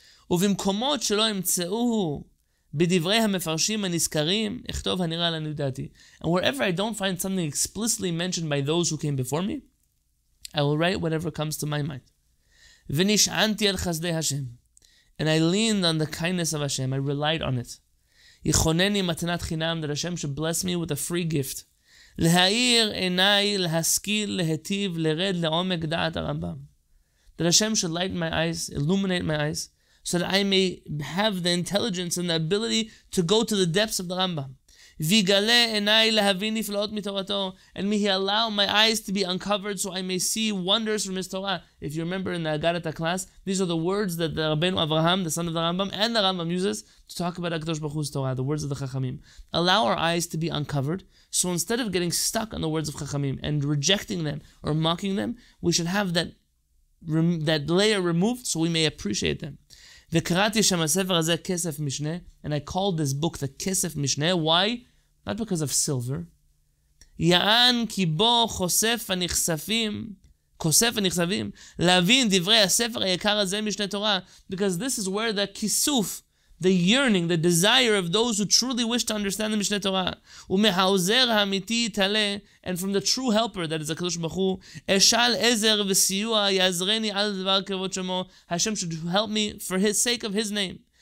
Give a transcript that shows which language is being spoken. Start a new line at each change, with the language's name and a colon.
Hebrew: ובמקומות שלא ימצאו בדברי המפרשים הנזכרים, אכתוב הנראה לנו דעתי.
English: And wherever I don't find something explicitly mentioned by those who came before me, I will write whatever comes to my mind.
Hebrew: ונשענתי על חסדי השם.
English: And I leaned on the kindness of Hashem. I relied on it.
Hebrew: יחונני מתנת חינם,
English: that Hashem should bless me with a free gift.
Hebrew: להאיר עיניי, להשכיל, להטיב, לרד לעומק דעת הרמב״ם.
English: That Hashem should lighten my eyes, illuminate my eyes, so that I may have the intelligence and the ability to go to the depths of the Rambam.
Hebrew: ויגלה עיניי להבין נפלאות מתורתו,
English: and may he allow my eyes to be uncovered so I may see wonders from his Torah. If you remember in the Agadat class, these are the words that the Rabbeinu Avraham, the son of the Rambam, and the Rambam uses to talk about HaKadosh Baruch Hu's Torah, the words of the Chachamim. Allow our eyes to be uncovered, so instead of getting stuck on the words of Chachamim and rejecting them or mocking them, we should have that layer removed so we may appreciate them.
Hebrew: וקראתי שם הספר הזה כסף משנה,
English: and I called this book the כסף משנה. Why? Not because of silver.
Hebrew: יען כי בו חושף הנכספים, להבין דברי הספר היקר הזה משנה תורה,
English: because this is where the כיסוף, the yearning, the desire of those who truly wish to understand the משנה תורה,
Hebrew: ומהעוזר האמיתי יתעלה,
English: and from the true helper, that is הקדוש ברוך הוא,
Hebrew: אשאל עזר וסיוע יעזרני על דבר כבוד שמו,
English: Hashem should help me for his sake of his name.